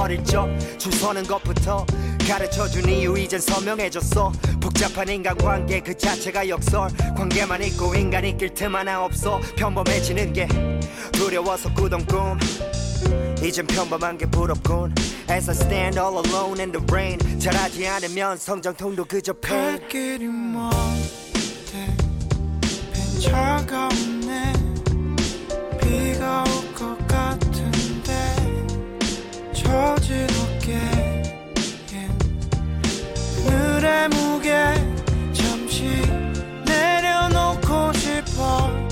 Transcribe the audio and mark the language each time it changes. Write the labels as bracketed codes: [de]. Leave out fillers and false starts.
[ko] 어릴 적 줄 서는 것부터 가르쳐준 이유 이젠 서명해졌어. 복잡한 인간관계 그 자체가 역설. 관계만 있고 인간이 낄 틈 하나 없어. 평범해지는 게 두려워서 꾸던 꿈 이젠 평범한 게 부럽군. [en] As I stand all alone in the rain. [ko] 잘하지 않으면 성장통도 그저 pain. 갈 길이 먼데 맨 차가운데 비가 올 것 같은데 저지럽게 하늘의 무게 잠시 내려놓고 싶어.